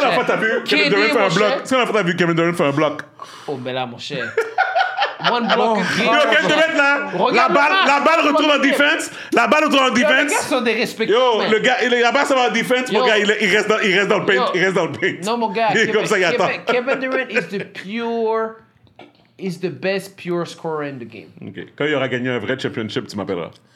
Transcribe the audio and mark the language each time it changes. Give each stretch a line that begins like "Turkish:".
French: Est-ce que la fois t'as vu Kevin Durant faire un bloc? Oh, ben là, mon cher.
English: One block.
French: Yo, Kevin Durant, là, la balle retourne en defense. Les gars sont dérespectants. Yo, le gars, la balle, ça va en defense, mon gars, il reste dans le paint. Non, mon gars. Il est comme ça, il attend.
English: Kevin Durant is the best pure scorer in the game.
French: OK. Quand il aura gagné un vrai championship, tu m'appelleras.